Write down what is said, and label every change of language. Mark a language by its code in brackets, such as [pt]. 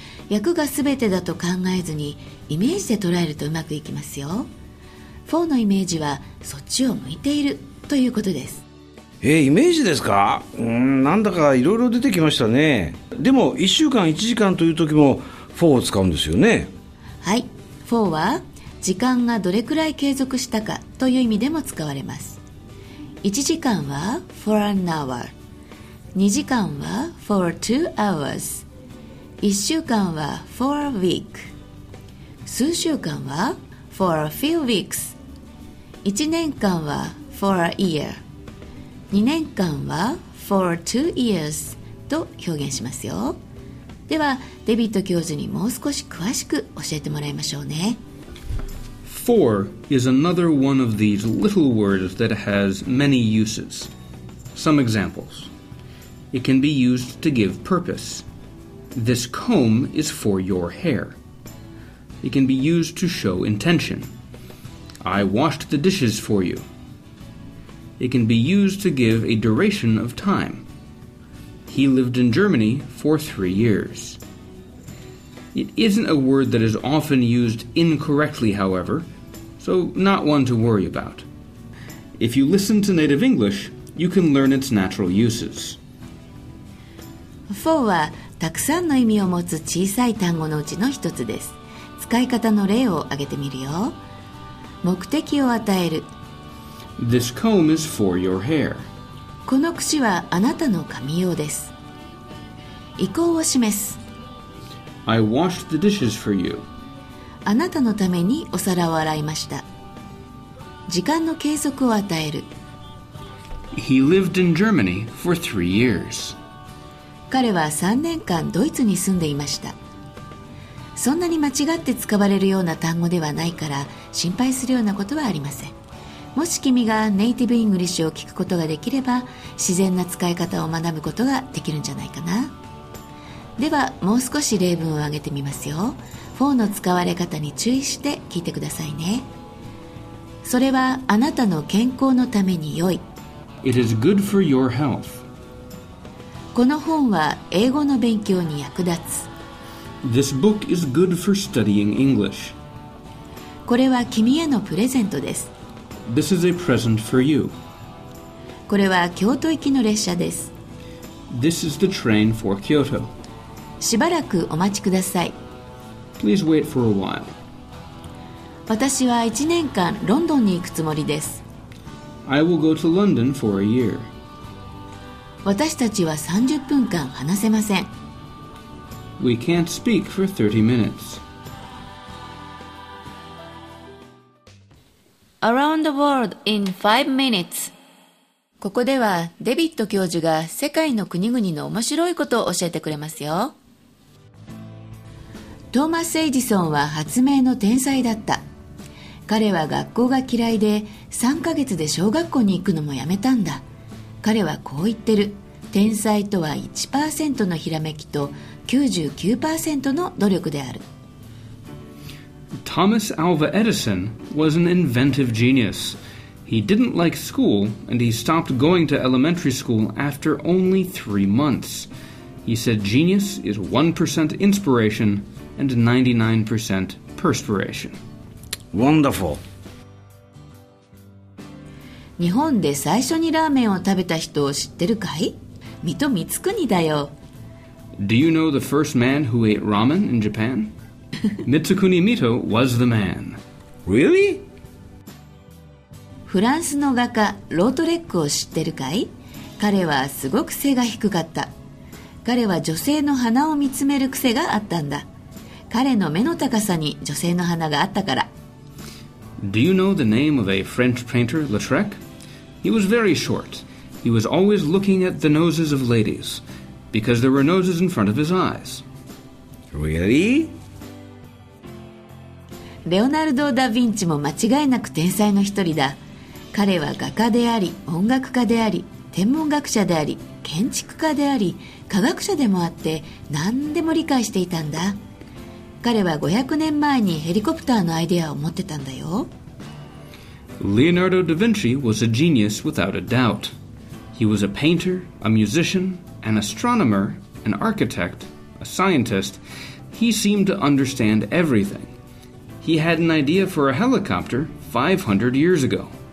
[ja] 訳が全てだと考えずにイメージで捉えるとうまくいきますよ。 for のイメージはそっちを向いているということです。イメージですか。なんだかいろいろ出てきましたね。でも1週間1時間という時も4を使うんですよね。はい、4は時間がどれくらい継続したかという意味でも使われます。 1時間は [en] for an hour、 [ja] 2時間は [en] for 2 hours、 [ja] 1週間は [en] for a week、 [ja] 数週間は [en] for a few weeks、 [ja] 1年間は [en] for a year、 [ja] 2年間は [en] for 2 years [ja] と表現しますよ。ではデビッド教授にもう少し詳しく教えてもらいましょうね。 [en] For is another one of these little words that has many uses. Some examples. It can be used to give purpose. This comb is for your hair. It can be used to show intention. I washed the dishes for you. It can be used to give a duration of time. He lived in Germany for 3 years. It isn't a word that is often used incorrectly, however. So, not one to worry about. If you listen to native English, you can learn its natural uses. [ja] For はたくさんの意味を持つ小さい単語のうちの一つです。使い方の例を挙げてみるよ。目的を与える。 [en] This comb is for your hair. [ja] この櫛はあなたの髪用です。意向を示す。 [en] I washed the dishes for you. [ja] あなたのためにお皿を洗いました。時間の計測を与える。 [en] He lived in Germany for 3 years. [ja] 彼は3年間ドイツに住んでいました。そんなに間違って使われるような単語ではないから心配するようなことはありません。もし君がネイティブイングリッシュを聞くことができれば自然な使い方を学ぶことができるんじゃないかな。ではもう少し例文を挙げてみますよ。For の使われ方に注意して聞いてくださいね。それはあなたの健康のために良い。 [en] It is good for your health. [ja] この本は英語の勉強に役立つ。 [en] This book is good for studying English. [ja] これは君へのプレゼントです。 [en] This is a present for you. [ja] これは京都行きの列車です。 [en] This is the train for Kyoto. [ja] しばらくお待ちください。 [en] Please wait for a while. [ja] 私は1年間ロンドンに行くつもりです。 [en] I will go to London for a year. [ja] 私たちは30分間話せません。 [en] We can't speak for 30 minutes. Around the world in 5 minutes. [ja] ここではデビッド教授が世界の国々の面白いことを教えてくれますよ。トーマス・エジソンは発明の天才だった。彼は学校が嫌いで3ヶ月で小学校に行くのもやめたんだ。彼はこう言ってる。天才とは 1% のひらめきと 99% の努力である。 [en] Thomas Alva Edison was an inventive genius. He didn't like school and he stopped going to elementary school after only 3 months. He said genius is 1% inspirationand 99% perspiration. Wonderful. [ja] 日本で最初にラーメンを食べた人を知ってるかい？水戸光圀だよ。 [en] Do you know the first man who ate ramen in Japan? Mitsukuni Mito was the man. Really? [ja] フランスの画家ロートレックを知ってるかい？彼はすごく背が低かった。彼は女性の鼻を見つめる癖があったんだ。彼の目の高さに女性の鼻があったから。 [en] Do you know the name of a French painter, Lautrec? He was very short. He was always looking at the noses of ladies because there were noses in front of his eyes. Really? [ja] レオナルド・ダ・ヴィンチも間違いなく天才の一人だ。彼は画家であり、音楽家であり、天文学者であり、建築家であり、科学者でもあって何でも理解していたんだ。彼は500年前にヘリコプターのアイデアを持ってたんだよ。 [en] Leonardo da Vinci was a genius without a doubt. He was a painter, a musician, an astronomer, an architect, a scientist. He seemed to understand everything. He had an idea for a helicopter 500 years ago.